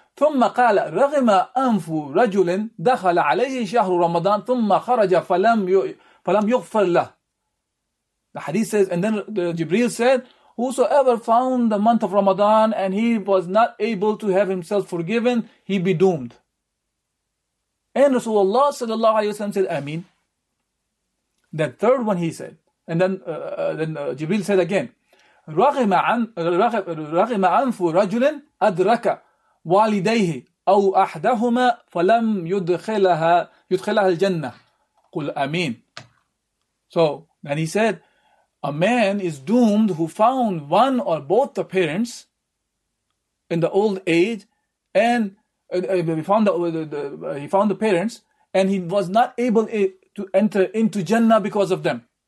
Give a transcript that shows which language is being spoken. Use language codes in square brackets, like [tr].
[ar] ثم قال رغم أنف رجل دخل عليه شهر رمضان ثم خرج فلم يغفر له. [en] The hadith says, and then Jibreel said, whosoever found the month of Ramadan and he was not able to have himself forgiven, he be doomed. And Rasulullah sallallahu alayhi wa sallam said, Ameen. That third one he said. And then Jibreel said again, [ar] رغم أنف رجل أدرك وَالِدَيْهِ أَوْ أَحْدَهُمَا فَلَمْ يُدْخِلَهَا الْجَنَّةِ قُلْ أَمِينَ. [en] So, then he said, a man is doomed who found one or both the parents in the old age, and he found the parents, and he was not able to enter into Jannah because of them.